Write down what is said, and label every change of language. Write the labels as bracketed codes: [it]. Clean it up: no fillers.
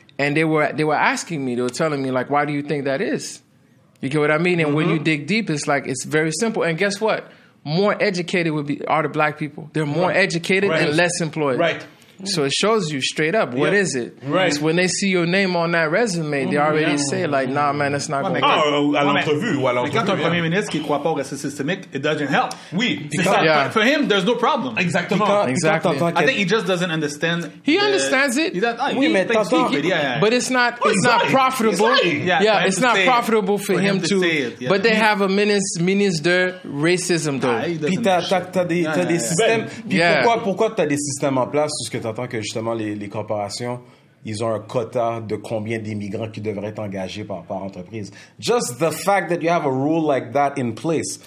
[en] And they were asking me, they were telling me, like, why do you think that is? You get what I mean? And when you dig deep, it's like, it's very simple. And guess what? More educated are the black people. They're more educated and less employed. Right. So it shows you straight up, what is it? Right. When they see your name on that resume, they already say like, nah, man, it's not going [fr] to happen. Ou à l'entrevue. Mais quand un premier ministre qui ne croit pas au racisme systémique, it doesn't help. Oui. [en] For him, there's no problem. [fr] Exactement. [en] Exactly. I think he just doesn't understand. He understands it. [fr] Oui, mais t'entends. [en] But it's not profitable. Yeah, it's not profitable for him to. But they have a minister racism, though. [fr] Puis t'as des systèmes. Puis pourquoi t'as des systèmes en place sur ce que t'entends que justement les corporations ils ont un quota de combien d'immigrants qui devraient être engagés par entreprise. [en] Just the fact that you have a rule like that in place.